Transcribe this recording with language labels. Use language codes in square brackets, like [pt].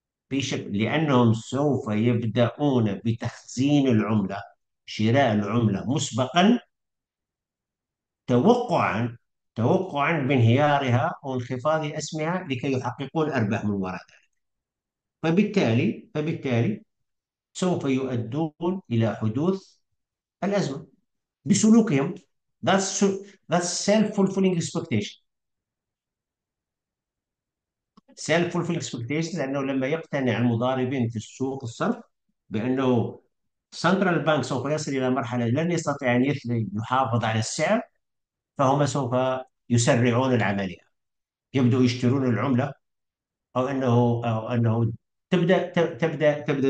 [ar] بشكل، لأنهم سوف يبدأون بتخزين العملة، شراء العملة مسبقا، توقعا بانهيارها أو انخفاض أسمها لكي يحققون أرباح من وراء. فبالتالي سوف يؤدون إلى حدوث الأزمة بسلوكهم. [en] That's self-fulfilling expectation. Self-fulfilling expectation [ar] لأنه لما يقتنع المضاربين في السوق الصرف بأنه سنترال بانك سوف يصل إلى مرحلة لن يستطيع أن يحافظ على السعر، فهم سوف يسرعون العملية، يبدأوا يشترون العملة، أو أنه تبدا